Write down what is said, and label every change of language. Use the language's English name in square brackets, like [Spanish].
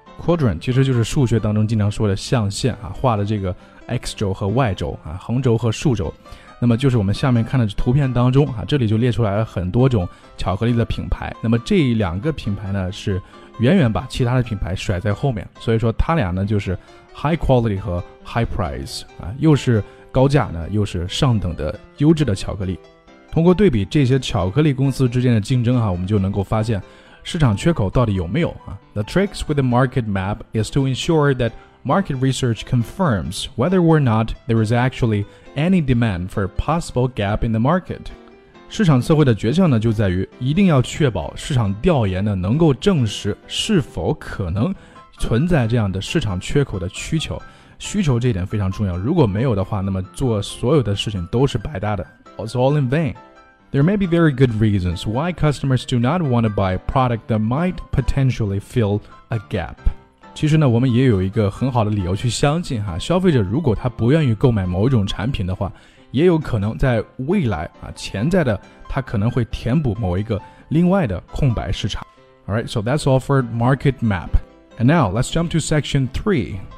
[Chinese] Quadrant 其实就是数学当中经常说的象限啊，画的这个 X 轴和 Y 轴啊，横轴和竖轴，那么就是我们下面看的图片当中啊，这里就列出来了很多种巧克力的品牌，那么这两个品牌呢是远远把其他的品牌甩在后面，所以说它俩呢就是 [English] High Quality [Chinese] 和 [English] High Price [Chinese] 啊，又是高价呢又是上等的优质的巧克力。通过对比这些巧克力公司之间的竞争啊，我们就能够发现市场缺口到底有没有啊。 [English] The tricks with the market map is to ensure that market research confirms whether or not there is actually any demand for a possible gap in the market. [Chinese] 市场测绘的诀窍呢就在于一定要确保市场调研呢能够证实是否可能存在这样的市场缺口的需求。需求这一点非常重要，如果没有的话，那么做所有的事情都是白搭的。 [English] It's all in vain. There may be very good reasons why customers do not want to buy a product that might potentially fill a gap. [Chinese] 其实呢我们也有一个很好的理由去相信哈，消费者如果他不愿意购买某一种产品的话，也有可能在未来啊，潜在的他可能会填补某一个另外的空白市场。 [English] Alright, so that's all for market map. And now, let's jump to section 3.